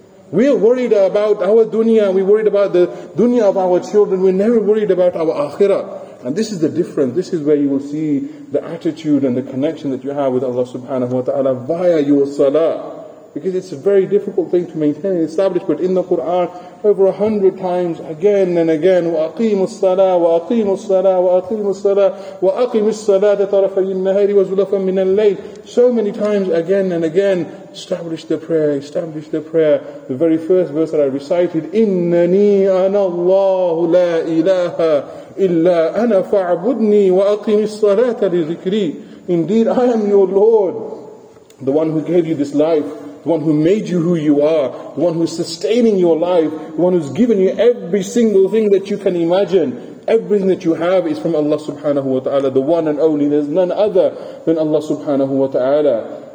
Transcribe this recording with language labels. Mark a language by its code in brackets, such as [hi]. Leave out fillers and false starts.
[en] We are worried about our dunya, we're worried about the dunya of our children, we're never worried about our akhirah. And this is the difference. This is where you will see the attitude and the connection that you have with Allah subhanahu wa ta'ala via your salah. Because it's a very difficult thing to maintain and establish. But in the Quran, over 100 times, again and again, [ar] وَأَقِيمُ الصَّلَاةِ وَأَقِيمُ الصَّلَاةِ وَأَقِيمُ الصَّلَاةِ وَأَقِيمُ الصَّلَاةِ طَرَفَيِ النَّهَارِ وَزُلَفًا مِنَ اللَّيْلِ. [en] So many times, again and again, establish the prayer, establish the prayer. The very first verse that I recited, [ar] إِنَّنِي أَنَا اللَّهُ لَا إِلَهَ إِلَّا أَنَا فَاعْبُدْنِي وَأَقِيمِ الصَّلَاةَ لِذِكْرِي. [en] Indeed, I am your Lord, the one who gave you this life, the one who made you who you are, the one who is sustaining your life, the one who's given you every single thing that you can imagine. Everything that you have is from Allah subhanahu wa ta'ala, the one and only. There's none other than Allah subhanahu wa ta'ala.